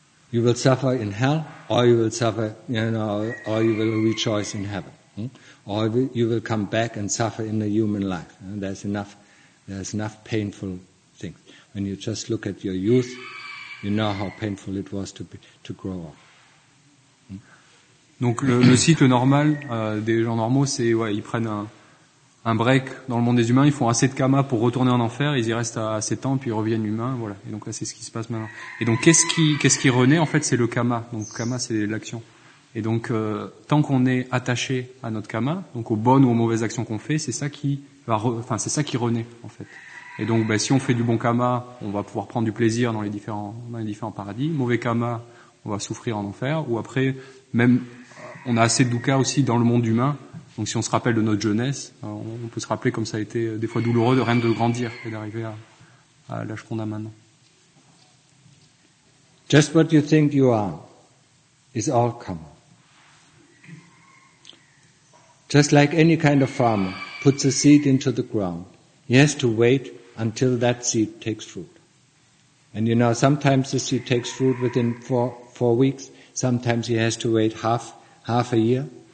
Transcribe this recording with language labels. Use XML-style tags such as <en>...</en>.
<en>You will suffer in hell, or you will suffer, you know, or you will rejoice in heaven. Or you will come back and suffer in a human life. There's enough painful things. When you just look at your youth, you know how painful it was to grow up.</en> <fr>Donc le cycle normal des gens normaux, c'est, ouais, ils prennent un break dans le monde des humains, ils font assez de karma pour retourner en enfer, ils y restent à 7 ans, puis ils reviennent humains, voilà. Et donc là, c'est ce qui se passe maintenant. Et donc, qu'est-ce qui renaît, en fait, c'est le karma. Donc, karma, c'est l'action. Et donc, tant qu'on est attaché à notre karma, donc aux bonnes ou aux mauvaises actions qu'on fait, c'est ça qui renaît, en fait. Et donc, ben, si on fait du bon karma, on va pouvoir prendre du plaisir dans les différents paradis. Mauvais karma, on va souffrir en enfer. Ou après, même, on a assez de dukkha aussi dans le monde humain. Donc si on se rappelle de notre jeunesse, on peut se rappeler comme ça a été des fois douloureux de rien de grandir et d'arriver à l'âge qu'on a maintenant.</fr> <en>Just what you think you are is all karma. Just like any kind of farmer puts a seed into the ground, he has to wait until that seed takes fruit. And you know, sometimes the seed takes fruit within four weeks, sometimes he has to wait half a year.</en>